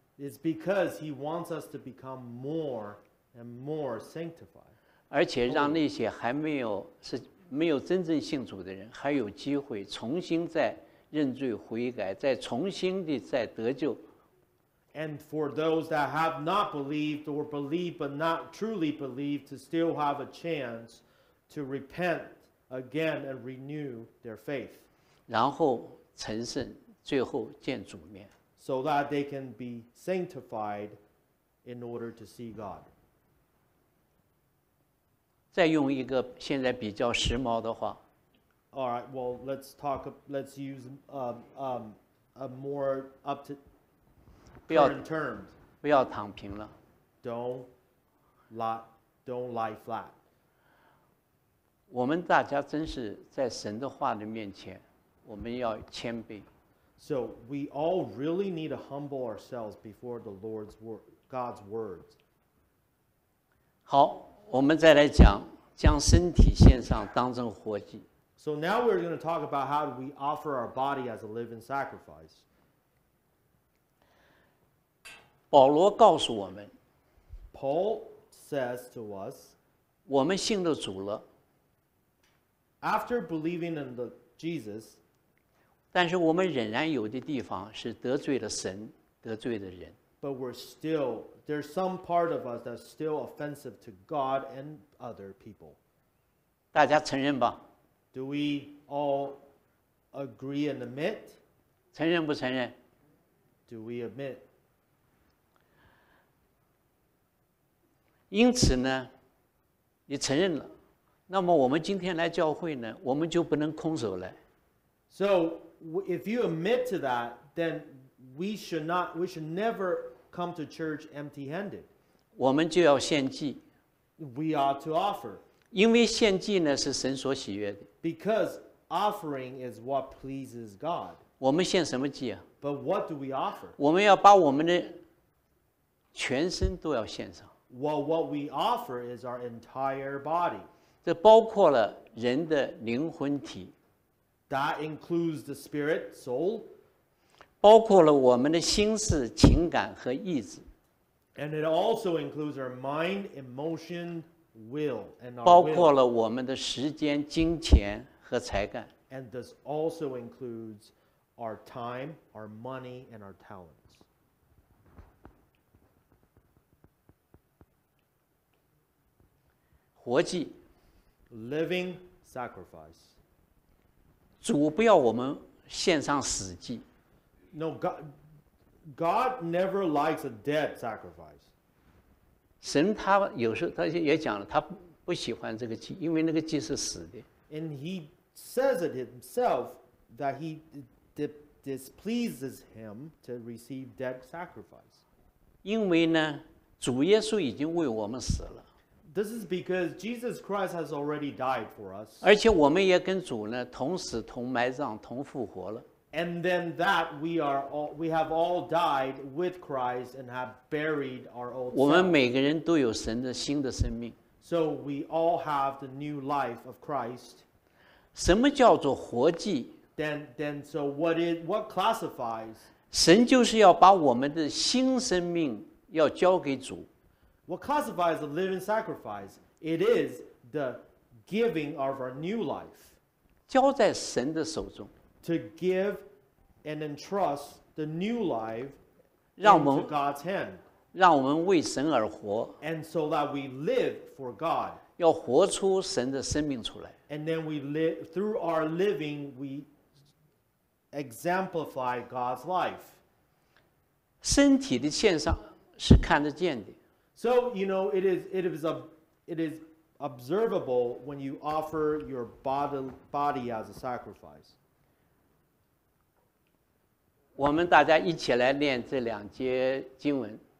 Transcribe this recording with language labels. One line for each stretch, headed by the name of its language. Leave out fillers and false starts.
English: It's because He wants us to become more and more sanctified.
Chinese: 而且让那些还没有是没有真正信主的人，还有机会重新再。认罪悔改，再重新的再得救。
English: And for those that have not believed or believe but not truly believe, to still have a chance to repent again and renew their faith.
Chinese: 然后成圣，最后见主面。
English: So that they can be sanctified in order to see God.
Chinese: 再用一个现在比较时髦的话。
English: All right. Well, let's talk. Let's use a more up to current terms.
Chinese: 不要躺平了。
English: Don't lie flat.
Chinese: 我们大家真是在神的话的面前，我们要谦卑。
English: So we all really need to humble ourselves before the Lord's word, God's words.
Chinese: 好，我们再来讲，将身体献上，当成活祭。
English: So now we're going to talk about how do we offer our body as a living sacrifice.
Chinese: 保罗告诉我们。
English: Paul says to us.
Chinese: 我们信了主了。
English: After believing in the Jesus.
Chinese: 但是我们仍然有的地方是得罪了神，得罪了人。
English: But we're still, there's some part of us that's still offensive to God and other people.
Chinese: 大家承认吧。
English: Do we all agree and admit?
Chinese: 承认不承认?
English: Do we admit?
Chinese: 因此呢，你承认了，那么我们今天来教会呢，我们就不能空手来。
English: So if you admit to that, then we should never come to church empty-handed.
Chinese: 我们就要献祭。
English: We ought to offer.
Chinese: 因为献祭呢，是神所喜悦的。
English: Because offering is what pleases God.
Chinese: 我们献什么祭啊?
English: But what do we offer?
Chinese: 我们要把我们的全身都要献上。
English: Well, what we offer is our entire body.
Chinese: 这包括了人的灵魂体。
English: That includes the spirit, soul.
Chinese: 包括了我们的心思、情感和意志。
English: And it also includes our mind, emotion, will and our
Chinese: 包括了我们的时间、金钱和才干。
English: And this also includes our time, our money, and our talents.
Chinese: 活祭
English: living sacrifice.
Chinese: 主不要我们献上死祭。
English: No, God never likes a dead sacrifice.
Chinese: 神他有时候他也讲了，他不喜欢这个祭，因为那个祭是死的。
English: And he says it himself that he displeases him to receive dead sacrifice.
Chinese: 因为呢，主耶稣已经为我们死了。
English: This is because Jesus Christ has already died for us.
Chinese: 而且我们也跟主呢同死、同埋葬、同复活了。
English: And then that we have all died with Christ and have buried our old self.
Chinese: 我们每个人都有神的新的生命。
English: So we all have the new life of Christ.
Chinese: 什么叫做活祭?
English: Then what classifies?
Chinese: 神就是要把我们的新生命要交给主。
English: What classifies a living sacrifice? It is the giving of our new life.
Chinese: 交在神的手中。
English: To give and entrust the new life into God's hand.
Chinese: 让我们为神而活,
English: and so that we live for God. And then we live through our living, we exemplify God's life.
Chinese: 身体的献上是看得见的。
English: So, you know, it is observable when you offer your body as a sacrifice.
Chinese: 我们大家一起来念这两节经文。